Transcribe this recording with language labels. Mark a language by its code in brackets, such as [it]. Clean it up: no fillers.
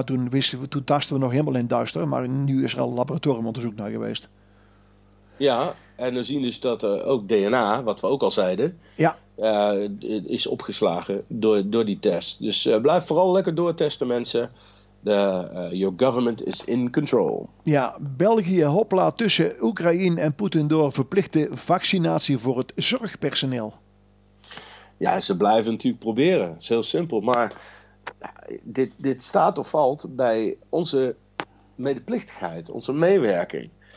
[nl] Maar toen tasten we nog helemaal in duister. Maar nu is er al laboratoriumonderzoek naar geweest. Ja, en we zien dus dat ook DNA, wat we ook al zeiden, is opgeslagen door die test. Dus blijf vooral lekker doortesten, mensen. [en] Your government is in control. [nl] Ja, België hopla tussen Oekraïne en Poetin door verplichte vaccinatie voor het zorgpersoneel. Ja, ze blijven natuurlijk proberen. Het is heel simpel. Maar dit staat of valt bij onze medeplichtigheid, onze meewerking.